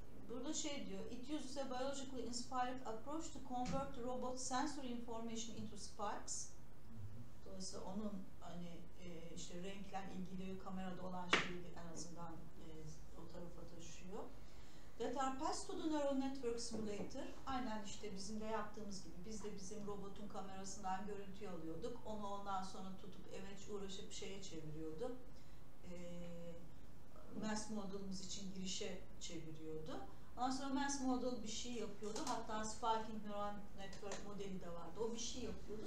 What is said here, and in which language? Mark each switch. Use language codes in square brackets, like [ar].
[tr] Burada şey diyor, [en] it uses a biologically inspired approach to convert the robot sensory information into spikes. [tr] Dolayısıyla onun hani işte renkle ilgili kamerada olan şeyi en azından o tarafa taşıyor. [en] That are passed to the neural network simulator. [tr] Aynen işte bizim de yaptığımız gibi, biz de bizim robotun kamerasından görüntü alıyorduk. Onu ondan sonra tutup evet uğraşıp şeye çeviriyordu. Mass modelimiz için girişe çeviriyordu. Ondan sonra mass model bir şey yapıyordu. Hatta sparking neural network modeli de vardı. O bir şey yapıyordu.